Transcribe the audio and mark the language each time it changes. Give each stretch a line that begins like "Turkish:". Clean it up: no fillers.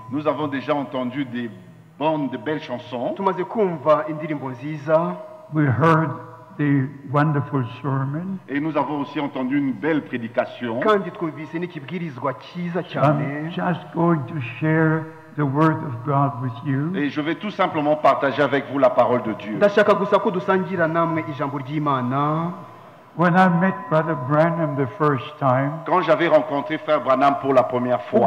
French: Nous avons déjà entendu des bandes de belles chansons.
Kinyarwanda: Tumaze kumva indirimbo nziza.
English: We heard the wonderful sermon.
French: Et nous avons aussi entendu une belle prédication.
Kinyarwanda: Kandi twumvise n'ikibwirizwa cyiza cyane.
English: I'm just going to share the word of God with you.
French: Et je vais tout simplement partager avec vous la parole de Dieu.
Kinyarwanda: Ndashaka gusa ko dusangira namwe ijambo ry'Imana.
English: When I met Brother Branham the first time,
French: quand j'avais rencontré Frère Branham pour la première fois,